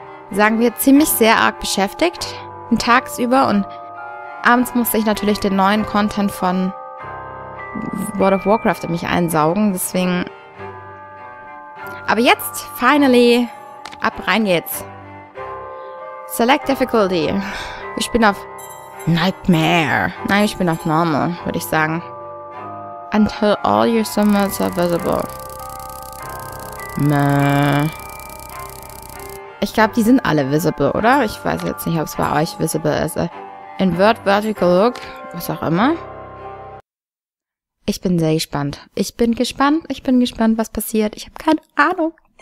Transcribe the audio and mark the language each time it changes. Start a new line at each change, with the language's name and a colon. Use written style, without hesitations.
German: Sagen wir, ziemlich sehr arg beschäftigt, tagsüber und abends musste ich natürlich den neuen Content von World of Warcraft in mich einsaugen, deswegen... Aber jetzt, finally, ab rein geht's. Select Difficulty. Ich bin auf Nightmare. Nein, ich bin auf Normal, würde ich sagen.
English: Until all your summons are visible.
German: Ich glaube, die sind alle visible, oder? Ich weiß jetzt nicht, ob es bei euch visible ist. Invert Vertical Look, was auch immer. Ich bin sehr gespannt. Ich bin gespannt, was passiert. Ich habe keine Ahnung.